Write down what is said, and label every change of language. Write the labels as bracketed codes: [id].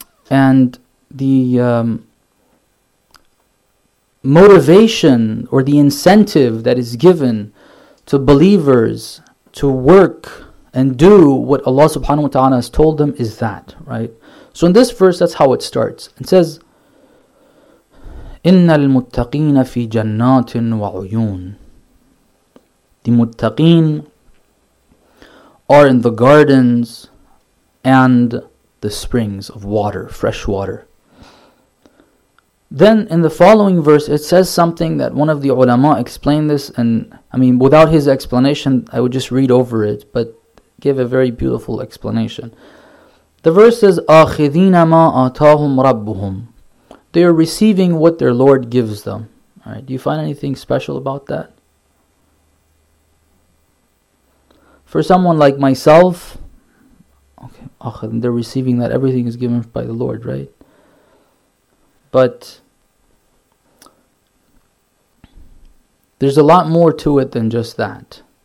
[en] And the motivation or the incentive that is given to believers to work and do what Allah subhanahu wa ta'ala has told them is that, right? So in this verse, that's how it starts. It says, [ar] إِنَّ الْمُتَّقِينَ فِي جَنَّاتٍ وَعُيُونَ. [en] The muttaqeen are in the gardens and the springs of water, fresh water. Then in the following verse, it says something that one of the ulama explained this, and I mean, without his explanation, I would just read over it, but give a very beautiful explanation. The verse says, [ar] أَخِذِينَ مَا آتَاهُمْ رَبُّهُمْ. [en] They are receiving what their Lord gives them. All right, do you find anything special about that? For someone like myself, okay, they're receiving that. Everything is given by the Lord, right? But there's a lot more to it than just that.